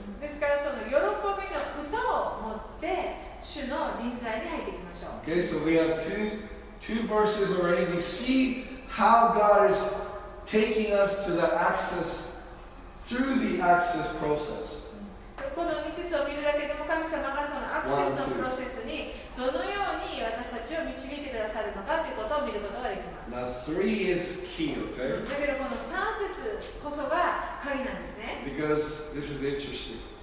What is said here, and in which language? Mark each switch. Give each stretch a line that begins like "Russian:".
Japanese: ですからその喜びの歌を持って主の臨在に入っていきましょう。
English: Okay, so we have two verses already. You see how God is taking us to the access through the access process.
Japanese: この2節を見るだけでも神様がそのアクセスのプロセスにどのように私たちを導いてくださるのかということを見ることができます。
English: Now three is key, okay?
Japanese: だけどこの3節こそが鍵なんですね。
English: Because this is interesting.